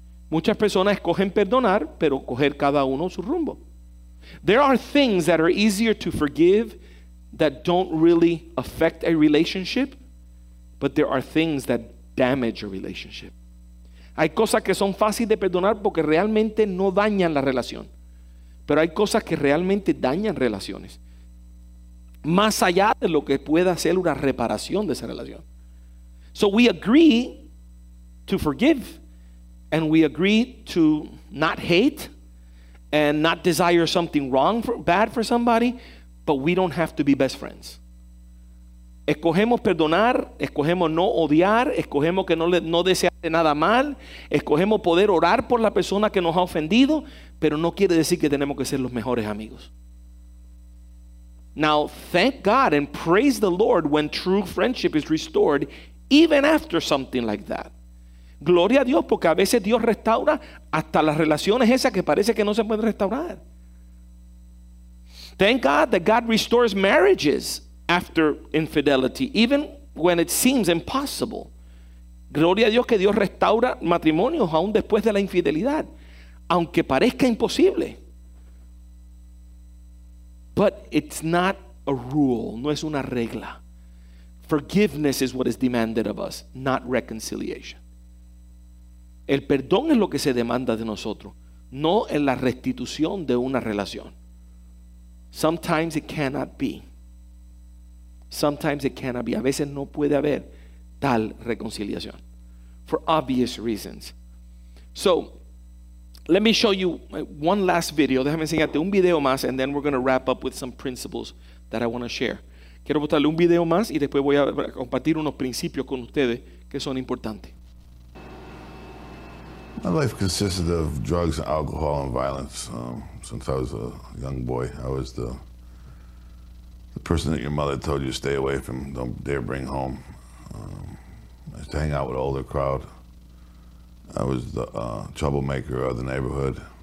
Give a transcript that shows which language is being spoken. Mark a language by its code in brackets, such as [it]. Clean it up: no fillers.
[es] Muchas personas escogen perdonar, pero coger cada uno su rumbo. [en] There are things that are easier to forgive that don't really affect a relationship, but there are things that damage a relationship. [es] Hay cosas que son fáciles de perdonar porque realmente no dañan la relación. Pero hay cosas que realmente dañan relaciones. Más allá de lo que pueda hacer una reparación de esa relación. [en] So we agree to forgive. And we agree to not hate. And not desire something wrong, bad for somebody. But we don't have to be best friends. [es] Escogemos perdonar, escogemos no odiar, escogemos que no desearle nada mal, escogemos poder orar por la persona que nos ha ofendido, pero no quiere decir que tenemos que ser los mejores amigos. [en] Now, thank God and praise the Lord when true friendship is restored, even after something like that. [es] Gloria a Dios, porque a veces Dios restaura hasta las relaciones esas que parece que no se pueden restaurar. [en] Thank God that God restores marriages after infidelity, even when it seems impossible. [es] Gloria a Dios que Dios restaura matrimonios aún después de la infidelidad, aunque parezca imposible. [en] But it's not a rule, [es] no es una regla. [en] Forgiveness is what is demanded of us, not reconciliation. [es] El perdón es lo que se demanda de nosotros, no en la restitución de una relación. [en] Sometimes it cannot be. Sometimes it cannot be. [es] A veces no puede haber tal reconciliación. [en] For obvious reasons. So, let me show you one last video. [es] Déjame enseñarte un video más, [en] and then we're going to wrap up with some principles that I want to share. [es] Quiero mostrarle un video más, y después voy a compartir unos principios con ustedes que son importantes. [en] My life consisted of drugs, alcohol, and violence. Since I was a young boy, I was the person that your mother told you to stay away from, don't dare bring home. I used to hang out with an older crowd. I was the troublemaker of the neighborhood.